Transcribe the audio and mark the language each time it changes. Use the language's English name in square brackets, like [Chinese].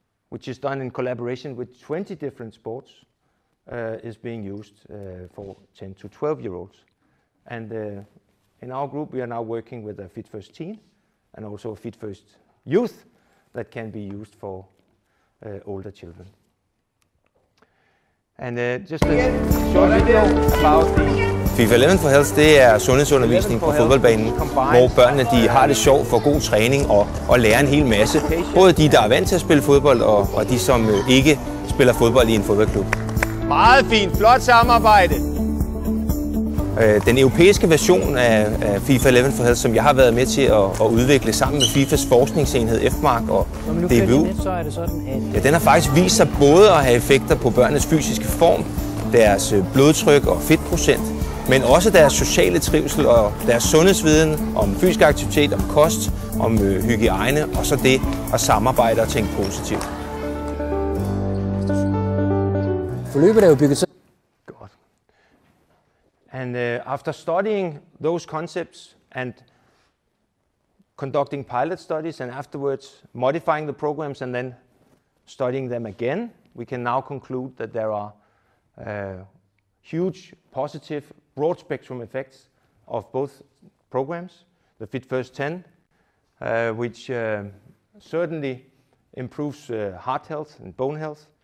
[English] which is done in collaboration with 20 different sports, is being used for 10 to 12 year olds. And in our group, we are now working with a Fit First Teen and also a Fit First Youth that can be used for older children. And just a short video about the [Danish] FIFA 11 for Health, det er sundhedsundervisning på fodboldbanen, hvor børnene de har det sjovt, for god træning og lærer en hel masse. Både de, der er vant til at spille fodbold, og de, som ikke spiller fodbold i en fodboldklub. Meget fint, flot samarbejde. Den europæiske version af FIFA 11 for Health, som jeg har været med til at udvikle sammen med FIFAs forskningsenhed FMARC og DBU, den har faktisk vist sig både at have effekter på børnenes fysiske form, deres blodtryk og fedtprocent, men også deres sociale trivsel og deres sundhedsviden om fysisk aktivitet, om kost, om hygiejne, og så det at samarbejde og tænke positivt. Forløbet er jo bygget så. Godt. [English] And after studying those concepts and conducting pilot studies and afterwards modifying the programs and then studying them again, we can now conclude that there are huge positive broad spectrum effects of both programs, the Fit First 10, which certainly improves heart health and bone health.